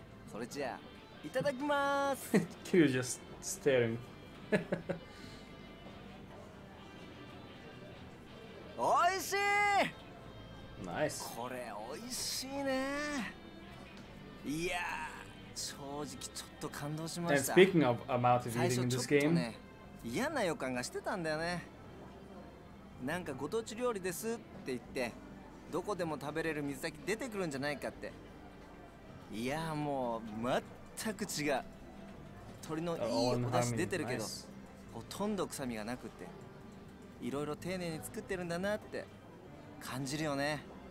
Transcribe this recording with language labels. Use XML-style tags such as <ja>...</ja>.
<ja>それじゃあいただきまーす。</ja> <en>You're just staring.</en> <ja>おいしい。</ja> <en>Nice.</en> <ja>これおいしいね。いやー。正直ちょっと感動しました。</ja> <en>And speaking of amount of eating in this game,</en> <ja>嫌な予感がしてたんだよね。なんかご当地料理ですって言ってどこでも食べれる水炊き出てくるんじゃないかって。いやもう全く違う。鶏のいいお出汁出てるけど、ほとんど臭みがなくて、いろいろ丁寧に作ってるんだなって感じるよね。</ja>